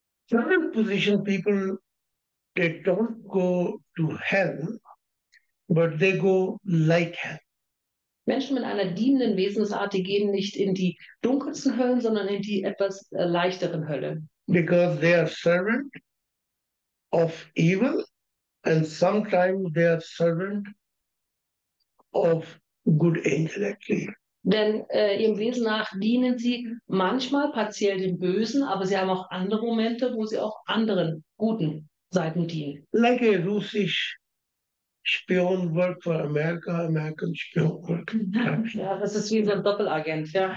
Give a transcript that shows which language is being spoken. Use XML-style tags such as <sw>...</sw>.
<en>Servant position people, they don't go to hell, but they go like hell.</en> <de>Menschen mit einer dienenden Wesensart, die gehen nicht in die dunkelsten Höllen, sondern in die etwas leichteren Hölle.</de> <en>Because they are servant of evil and sometimes they are servant of good angel actually.</en> <de>Denn im Wesen nach dienen sie manchmal partiell dem Bösen, aber sie haben auch andere Momente, wo sie auch anderen guten Seiten dienen.</de> <en>Like a</en> <de>Russisch Spion</de> <en>work for America, American Spion work.</en> <de>Ja, das ist wie so ein Doppelagent, ja.</de>